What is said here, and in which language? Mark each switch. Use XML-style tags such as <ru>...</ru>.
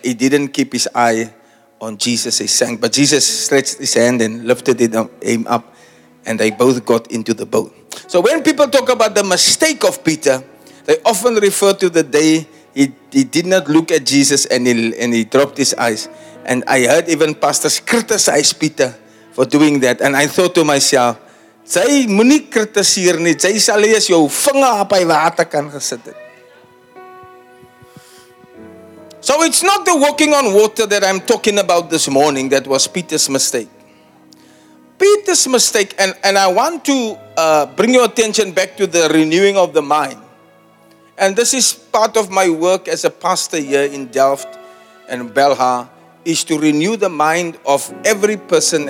<en>He didn't keep his eye on Jesus. He sank. But Jesus stretched his hand and lifted him up, and they both got into the boat. So when people talk about the mistake of Peter, they often refer to the day He did not look at Jesus and he dropped his eyes. And I heard even pastors criticize Peter for doing that.</en> <af>And I thought to myself, Jy moenie kritiseer nie. Jy sal eers jou vinger op hy water kan gesit het.</af> <en>So it's not the walking on water that I'm talking about this morning that was Peter's mistake. Peter's mistake, and I want to bring your attention back to the renewing of the mind. And this is part of my work as a pastor here in Delft and Belha, is to renew the mind of every person.</en>